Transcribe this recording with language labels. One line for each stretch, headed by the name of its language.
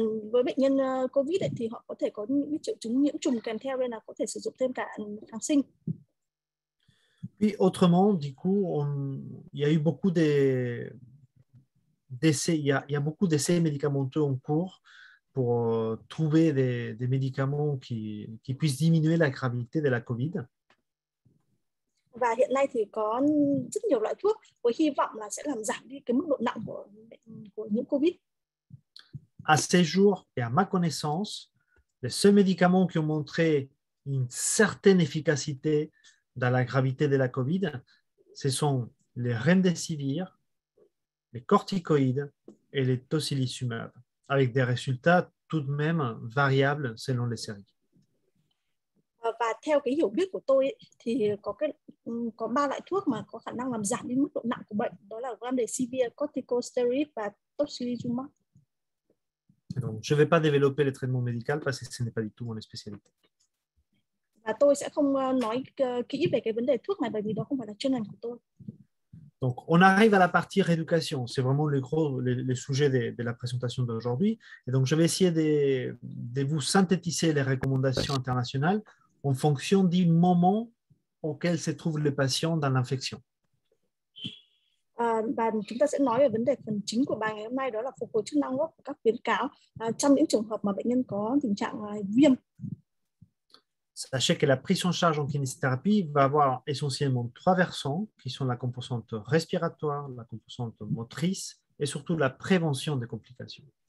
Vietnamese: Với bệnh nhân COVID, thì họ có thể có những triệu chứng nhiễm trùng kèm theo nên là có thể sử dụng thêm cả kháng sinh.
French: Puis autrement, du coup, il y a eu beaucoup d'essais. Il y a beaucoup d'essais médicamenteux en cours pour trouver des médicaments qui puissent diminuer la gravité de la COVID.
Vietnamese: Và hiện nay thì có rất nhiều loại thuốc với hy vọng là sẽ làm giảm đi cái mức độ nặng của nhiễm COVID.
French: À ce jour et à ma connaissance, les seuls médicaments qui ont montré une certaine efficacité dans la gravité de la COVID, ce sont les remdesivir, les corticoïdes et les tocilizumab, avec des résultats tout de même variables selon les séries.
Vietnamese: Và theo cái hiểu biết của tôi ấy, thì có ba loại thuốc mà có khả năng làm giảm đến mức độ nặng của bệnh, đó là remdesivir, corticosteroid và tocilizumab.
French: Donc, je ne vais pas développer le traitement médical parce que ce n'est pas du tout mon spécialité.
Vietnamese: Tôi sẽ không nói kỹ về cái vấn đề thuốc này bởi vì đó không phải là chuyên ngành của tôi.
French: Donc, on arrive à la partie rééducation. C'est vraiment le sujet de la présentation d'aujourd'hui. Et donc, je vais essayer de vous synthétiser les recommandations internationales en fonction du moment auquel se trouve le patient dans l'infection.
Vietnamese: Chúng ta sẽ nói về vấn đề phần chính của bài ngày hôm nay, đó là phục hồi chức năng hấp, các khuyến cáo trong những trường hợp mà bệnh nhân có tình trạng viêm.
French: Sachez que la prise en charge en kinésithérapie va avoir essentiellement trois versants, qui sont la composante respiratoire, la composante motrice et surtout la prévention des complications.